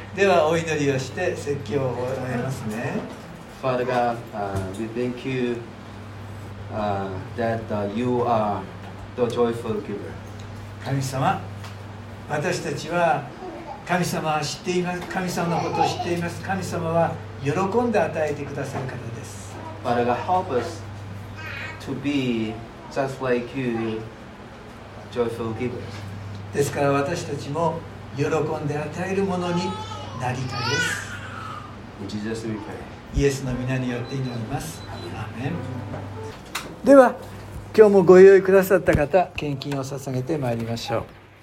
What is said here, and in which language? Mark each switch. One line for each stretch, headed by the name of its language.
Japanese: ではお祈りをして説教を終わりますね。
English: Father God, we thank you that you are the joyful giver.
Japanese: 神様、私たちは神様は知っています。神様のことを知っています。神様は喜んで与えてくださる方です。
English: Father God, help us. To be just like you, joyful givers.
Japanese: ですから私たちも喜んで与えるものになりたいです。
English: In Jesus we pray.
Japanese: イエスの御名によって祈ります。アーメン。では、今日もご用意くださった方、献金を捧げてまいりましょう。